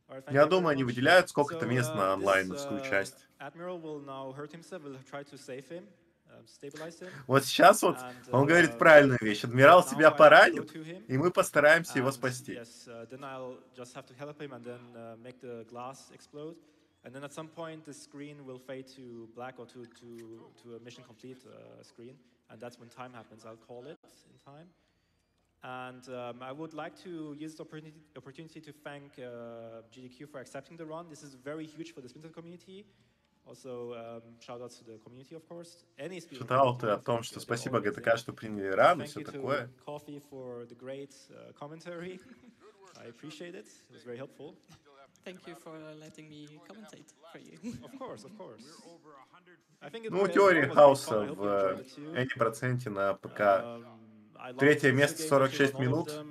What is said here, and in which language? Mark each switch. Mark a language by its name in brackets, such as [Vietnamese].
[Russian] Я думаю, они выделяют сколько-то мест на онлайновскую часть. [English] Admiral will now hurt himself. We'll try to save him, stabilize him. [Russian] Вот сейчас вот он говорит правильную вещь. Адмирал себя поранит, и мы постараемся его спасти. [English] Yes, then I'll just have to help him and then make the glass explode. And then at some point, the screen will fade to black or to a mission complete screen. And that's when time happens. I'll call it in time. And I would like to use the opportunity to thank GDQ for accepting the run. This is very huge for the Splinter community. Also, shout out to the community, of course. Any [Russian] Шутауты о том, что спасибо GTK, что приняли ран и все такое. [English] Thank you to Coffee for the great commentary. I appreciate it. It was very helpful. Thank you for letting me commentate for you. Of course, of course. I think [Russian] ну, теория хаоса в any percent на ПК. Третье место 46 минут.